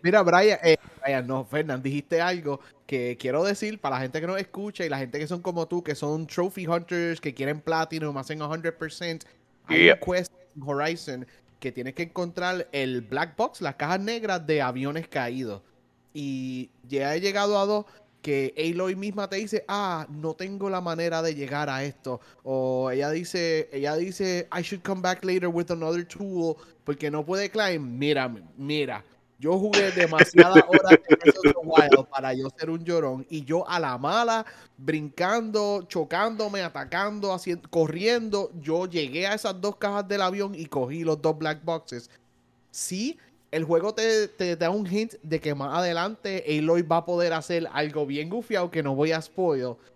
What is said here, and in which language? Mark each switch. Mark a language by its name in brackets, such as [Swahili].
[Spanish] Mira, Brian, Fernan, dijiste algo que quiero decir para la gente que nos escucha y la gente que son como tú, que son trophy hunters, que quieren platinum, hacen 100%. Hay un quest en Horizon que tienes que encontrar el black box, las cajas negras de aviones caídos. Y ya he llegado a dos que Aloy misma te dice, ah, no tengo la manera de llegar a esto. O ella dice, [English] I should come back later with another tool, [Spanish] porque no puede [English] climb. [Spanish] Mira, yo jugué demasiadas horas en ese wild para yo ser un llorón. Y yo a la mala, brincando, chocándome, atacando, corriendo, yo llegué a esas dos cajas del avión y cogí los dos black boxes. Sí, el juego te da un hint de que más adelante Aloy va a poder hacer algo bien gufiado que no voy a spoil.